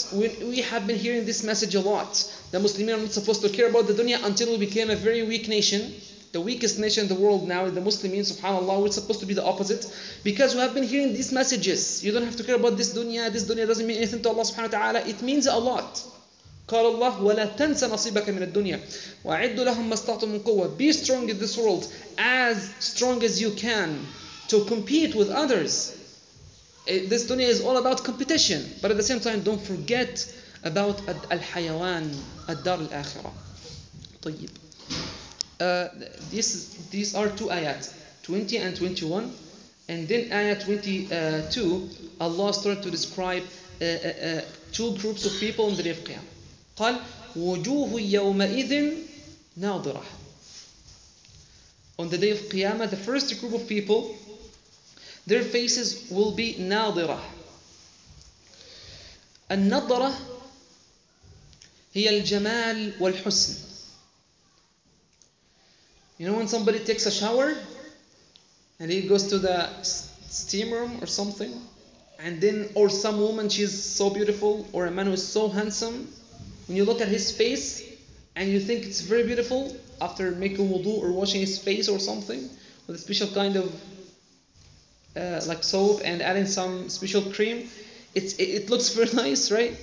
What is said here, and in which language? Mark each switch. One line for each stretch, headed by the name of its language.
English: We have been hearing this message a lot. The Muslims are not supposed to care about the dunya until we became a very weak nation. The weakest nation in the world now is the Muslims, subhanAllah. We're supposed to be the opposite. Because we have been hearing these messages. You don't have to care about this dunya. This dunya doesn't mean anything to Allah subhanahu wa ta'ala. It means a lot.
Arabic: قال الله ولا تنسى نصيبك من الدنيا وعد لهم ما استطعت من قوة.
English: Be strong in this world, as strong as you can, to compete with others. This dunya is all about competition, but at the same time, don't forget about
Arabic: الحيوان الدار الآخرة. طيب.
English: These are two ayat, 20 and 21, and then ayat 22, Allah started to describe two groups of people in the day of Qiyam.
Arabic: قال وجوه يومئذ ناظرة.
English: On the day of Qiyamah, the first group of people, their faces will be ناظرة.
Arabic: النظرة هي الجمال والحسن.
English: You know when somebody takes a shower and he goes to the steam room or something, and then, or some woman, she's so beautiful, or a man who is so handsome. When you look at his face and you think it's very beautiful after making wudu or washing his face or something with a special kind of like soap and adding some special cream, it looks very nice, right?